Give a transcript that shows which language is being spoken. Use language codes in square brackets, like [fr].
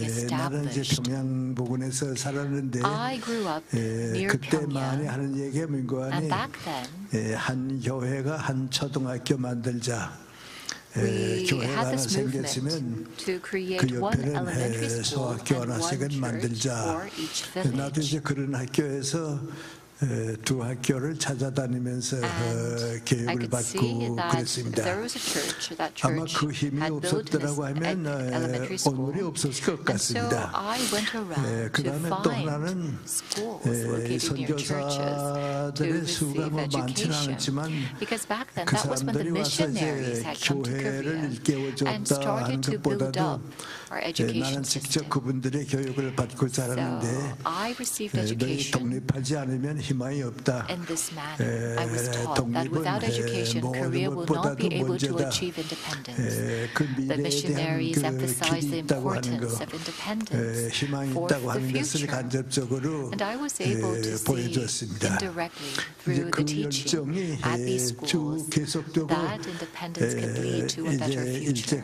[ko] 나는 이제 평양 부근에서 살았는데 그때 많이 하는 얘기가 민구안이 한 교회가 한 초등학교 만들자 [en] We had this movement to create one elementary school and one church for each village. [ko] 나도 이제 그런 학교에서 두 학교를 찾아다니면서 교육을 받고 그랬습니다. 아마 그 힘이 없었더라고 하면 오늘이 없었을 것 같습니다. 그 다음에 또 하나는 선교사들의 수가 많지 않았지만 그 사람들이 와서 이제 교회를 일깨워줬다 하는 것보다도 나는 직접 그분들의 교육을 받고 자랐는데 너희 독립하지 않으면 희망이 없다. [en] In this manner, I was taught that without education, Korea will not be able to achieve independence. The missionaries emphasized the importance of independence for the future. And I was able to see indirectly through the teaching at these schools that independence can lead to a better future.